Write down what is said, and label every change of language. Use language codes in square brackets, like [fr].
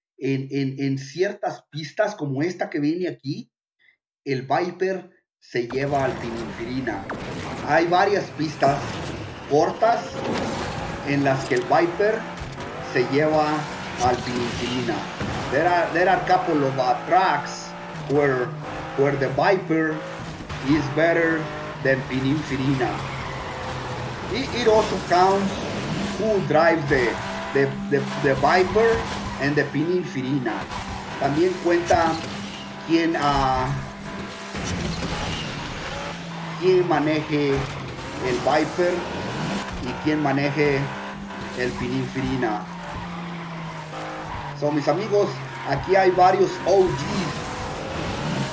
[es] En ciertas pistas como esta que viene aquí, el Viper se lleva al Pininfarina. Hay varias pistas cortas en las que el Viper se lleva al Pininfarina. [en] There are a couple of tracks where the Viper is better than Pininfarina. It also counts who drives the Viper and the Pininfarina. [es] También cuenta quién maneje el Viper y quién maneje el Pininfarina. So, mis amigos, aquí hay varios OGs